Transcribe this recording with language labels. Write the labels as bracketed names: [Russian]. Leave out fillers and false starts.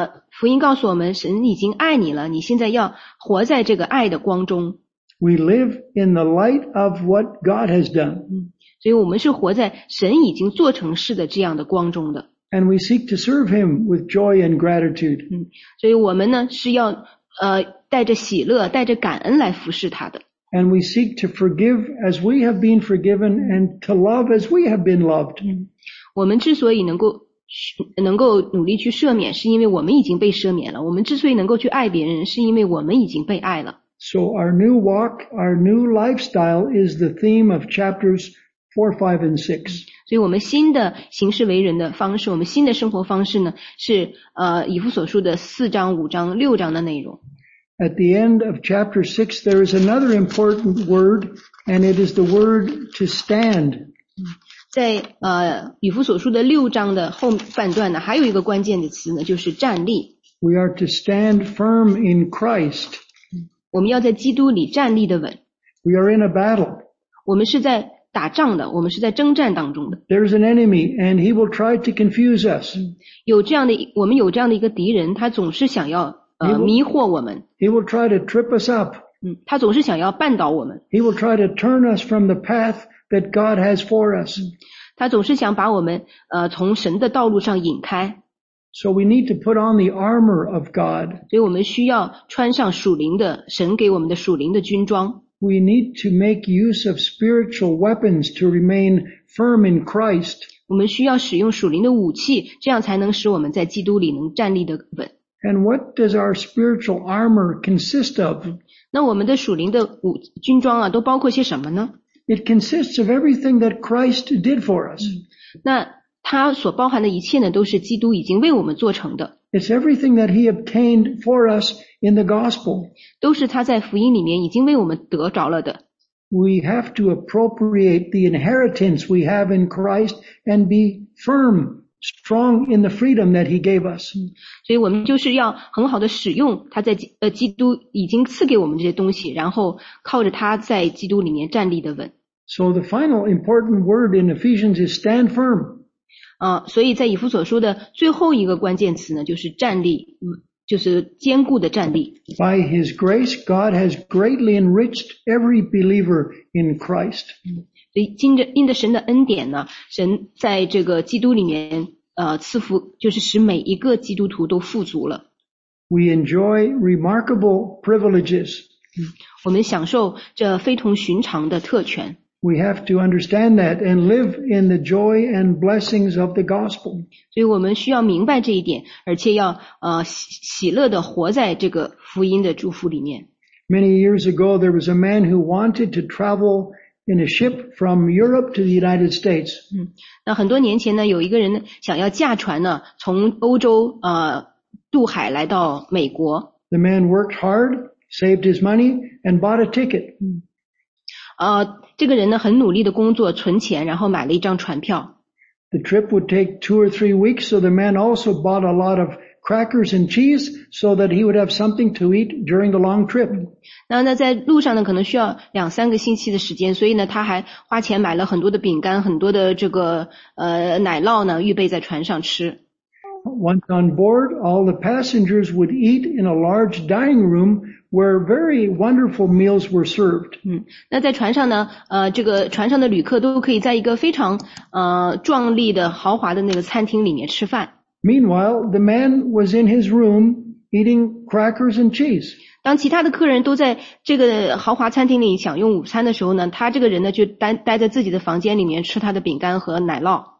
[Chinese] 福音告诉我们，神已经爱你了，你现在要活在这个爱的光中。 [English] We live in the light of what God has done. [Chinese] 所以我们是活在神已经做成事的这样的光中的。 [English] And we seek to serve Him with joy and gratitude. [Chinese] 所以我们呢是要带着喜乐，带着感恩来服侍他的。 [English] And we seek to forgive as we have been forgiven and to love as we have been loved. [Chinese] 我们之所以能够努力去赦免，是因为我们已经被赦免了。我们之所以能够去爱别人，是因为我们已经被爱了。 [English] So our new walk, our new lifestyle is the theme of chapters 4, 5, and 6. [Chinese] 所以我们新的行事为人的方式，我们新的生活方式呢，是以弗所书的四章、五章、六章的内容。 [English] At the end of chapter 6, there is another important word, and it is the word to stand. [Chinese] 在以弗所书的六章的后半段呢，还有一个关键的词呢，就是站立。 [English] We are to stand firm in Christ. [Chinese] 我们要在基督里站立的稳。 [English] We are in a battle. [Chinese] 我们是在打仗的，我们是在征战当中的。 [English] There is an enemy, and he will try to confuse us. [Chinese] 我们有这样的一个敌人，他总是想要迷惑我们。 [English] He will try to trip us up. [Chinese] 他总是想要绊倒我们。 [English] He will try to turn us from the path that God has for us. [Chinese] 他总是想把我们从神的道路上引开。 [English] So we need to put on the armor of God. [Chinese] 所以我们需要穿上属灵的神给我们的属灵的军装。 [English] We need to make use of spiritual weapons to remain firm in Christ. [Chinese] 我们需要使用属灵的武器，这样才能使我们在基督里能站立的稳。 [English] And what does our spiritual armor consist of? [Chinese] 那我们的属灵的军装啊，都包括些什么呢？ [English] It consists of everything that Christ did for us. [Chinese] 那他所包含的一切呢，都是基督已经为我们做成的。 [English] It's everything that he obtained for us in the gospel. [Chinese] 都是他在福音里面已经为我们得着了的。 [English] We have to appropriate the inheritance we have in Christ and be firm, strong in the freedom that he gave us. [Chinese] 所以我们就是要很好的使用他在基督已经赐给我们这些东西，然后靠着他在基督里面站立的稳。 [English] So the final important word in Ephesians is stand firm. [Chinese] 所以在以弗所书的最后一个关键词呢，就是站立，就是坚固的站立。 [English] By His grace, God has greatly enriched every believer in Christ. [Chinese] 所以因着神的恩典呢，神在这个基督里面赐福，就是使每一个基督徒都富足了。 [English] We enjoy remarkable privileges. [Chinese] 我们享受这非同寻常的特权。 [English] We have to understand that and live in the joy and blessings of the gospel. [Chinese] 所以我们需要明白这一点，而且要喜乐地活在这个福音的祝福里面。 [English] Many years ago, there was a man who wanted to travel in a ship from Europe to the United States. [Chinese] 那很多年前呢，有一个人想要驾船呢，从欧洲渡海来到美国。 [English] The man worked hard, saved his money, and bought a ticket. [Chinese] 这个人呢，很努力的工作，存钱，然后买了一张船票。 [English] The trip would take 2 or 3 weeks, so the man also bought a lot of crackers and cheese, so that he would have something to eat during the long trip. [Chinese] 那在路上呢，可能需要两三个星期的时间，所以呢，他还花钱买了很多的饼干，很多的这个奶酪呢，预备在船上吃。 [English] Once on board, all the passengers would eat in a large dining room where very wonderful meals were served. [Chinese] 那在船上呢，这个船上的旅客都可以在一个非常壮丽的豪华的那个餐厅里面吃饭。 [English] Meanwhile, the man was in his room eating crackers and cheese. [Chinese] 当其他的客人都在这个豪华餐厅里享用午餐的时候呢，他这个人呢就待在自己的房间里面吃他的饼干和奶酪。